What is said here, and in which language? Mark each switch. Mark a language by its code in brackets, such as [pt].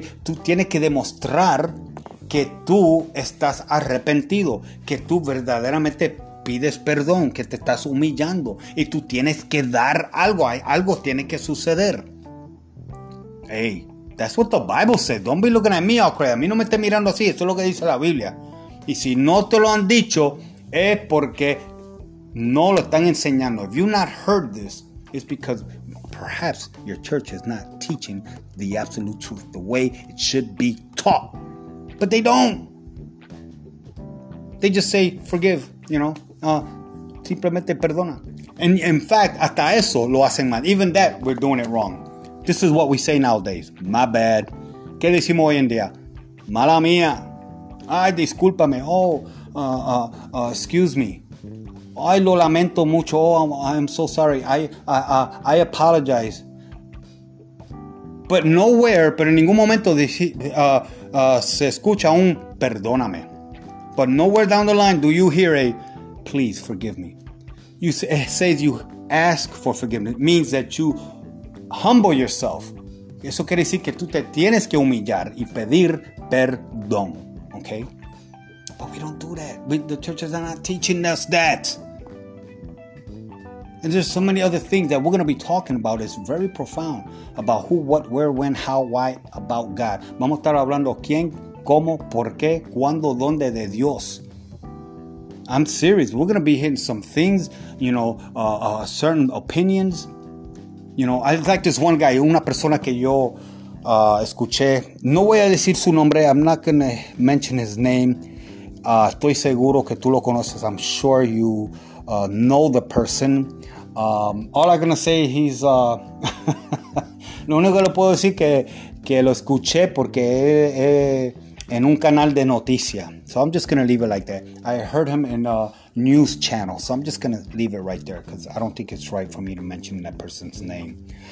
[es] Tú tienes que demostrar que tú estás arrepentido, que tú verdaderamente pides perdón, que te estás humillando, y tú tienes que dar algo. Algo tiene que suceder. [en] Hey, that's what the Bible says. Don't be looking at me, all crazy. [es] A mí no me esté mirando así. Eso es lo que dice la Biblia. Y si no te lo han dicho, es porque no lo están enseñando. [en] If you've not heard this, it's because perhaps your church is not teaching the absolute truth the way it should be taught. But they don't. They just say, forgive, you know. [es] simplemente perdona. [en] And in fact, [es] hasta eso lo hacen mal. [en] Even that, we're doing it wrong. This is what we say nowadays. My bad. [es] ¿Qué decimos hoy en día? Mala mía. Ay, discúlpame. [en] Oh, excuse me. [es] Ay, lo lamento mucho. [en] Oh, I'm so sorry. I apologize. But nowhere, [es] pero en ningún momento se escucha un perdóname. [en] But nowhere down the line do you hear a please forgive me. It says you ask for forgiveness. It means that you humble yourself. [es] Eso quiere decir que tú te tienes que humillar y pedir perdón. [en] Okay? But we don't do that. The churches are not teaching us that. And there's so many other things that we're going to be talking about. It's very profound. About who, what, where, when, how, why, about God. [es] Vamos a estar hablando quién, cómo, por qué, cuándo, dónde de Dios. [en] I'm serious. We're going to be hitting some things, you know, certain opinions. You know, I like this one guy, [es] una persona que yo escuché. No voy a decir su nombre. [en] I'm not going to mention his name. [es] Estoy seguro que tú lo conoces. [en] I'm sure you know the person. All I'm going to say, he's... [es] Lo único que le puedo decir que lo escuché porque en un canal de noticia. [en] So I'm just going to leave it like that. I heard him in a news channel. So I'm just going to leave it right there because I don't think it's right for me to mention that person's name.